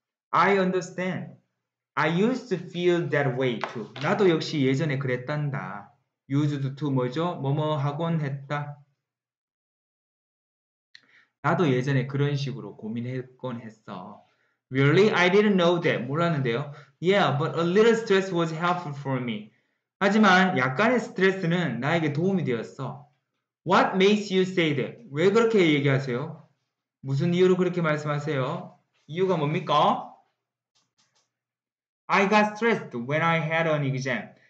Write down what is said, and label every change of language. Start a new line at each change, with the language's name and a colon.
English: I understand. I used to feel that way too.
Korean: 나도 역시 예전에 그랬단다. Used to 뭐죠? 뭐뭐 하곤 했다. 나도 예전에 그런 식으로 고민했곤 했어.
English: Really? I didn't know that.
Korean: 몰랐는데요.
English: Yeah, but a little stress was helpful for me.
Korean: 하지만 약간의 스트레스는 나에게 도움이 되었어.
English: What makes you say that?
Korean: 왜 그렇게 얘기하세요? 무슨 이유로 그렇게 말씀하세요? 이유가 뭡니까?
English: I got stressed when I had an exam.